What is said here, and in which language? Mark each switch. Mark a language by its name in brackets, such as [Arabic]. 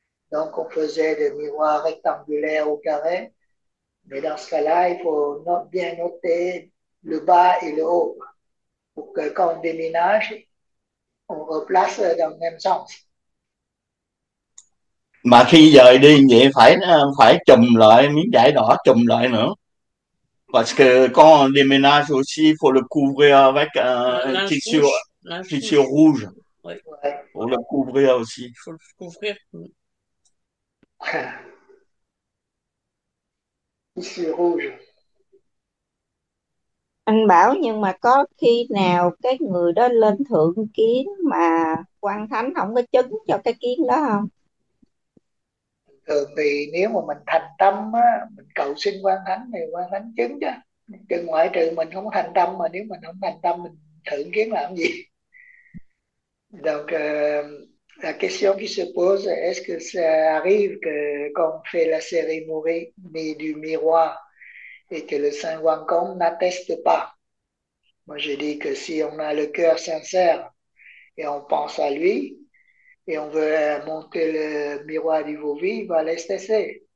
[French] Donc on faisait des miroirs rectangulaires ou carrés. Mais dans ce cas-là, il faut bien noter le bas et le haut pour que quand on déménage, on replace dans le même sens. [Vietnamese] Mà khi dời đi vậy phải phải chùm lại miếng vải đỏ chùm lại nữa. [French] Parce que quand on déménage aussi, il faut le couvrir avec un Linge tissu rouge. rouge Oui. pour le couvrir aussi. Faut le couvrir. Ici rouge. [Vietnamese] Anh bảo nhưng mà có khi nào cái người đó lên thượng kiến mà quan thánh không có chứng cho cái kiến đó không? Thường thì nếu mà mình thành tâm á, mình cầu xin quan thánh thì quan thánh chứng chứ. Chứ ngoại trừ mình không thành tâm mà nếu mình không thành tâm mình thượng kiến làm gì? [French] Donc, la question qui se pose, est-ce que ça arrive qu'on fait la cérémonie du miroir et que le Saint Wang Kong n'atteste pas? Moi, je dis que si on a le cœur sincère et on pense à lui et on veut monter le miroir du Vauvi, il va l'attester.